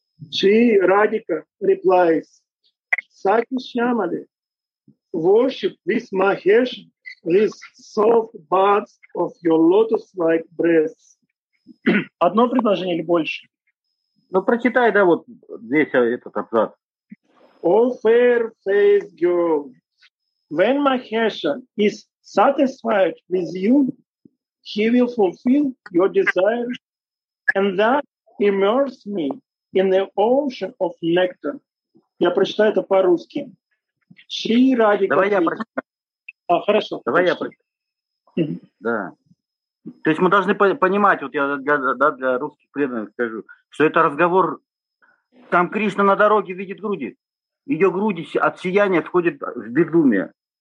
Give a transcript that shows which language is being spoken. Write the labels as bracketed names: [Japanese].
[English] Шри Радика replies. Саки Шьямали. Worship this Махеши with soft buds of your lotus-like breasts. [Russian] Одно предложение или больше? Ну, прочитай, да, вот здесь этот абзац. [English] О, fair-faced girl, when Mahesha is satisfied with you, he will fulfill your desire, and that immerse me in the ocean of nectar. [Russian] Я прочитаю это по-русски. Шри Радика. Давай я прочитаю. А, хорошо. Да. То есть мы должны понимать, вот я для русских преданных скажу, что это разговор, там Кришна на дороге видит груди, ее груди от сияния сходит в безумие.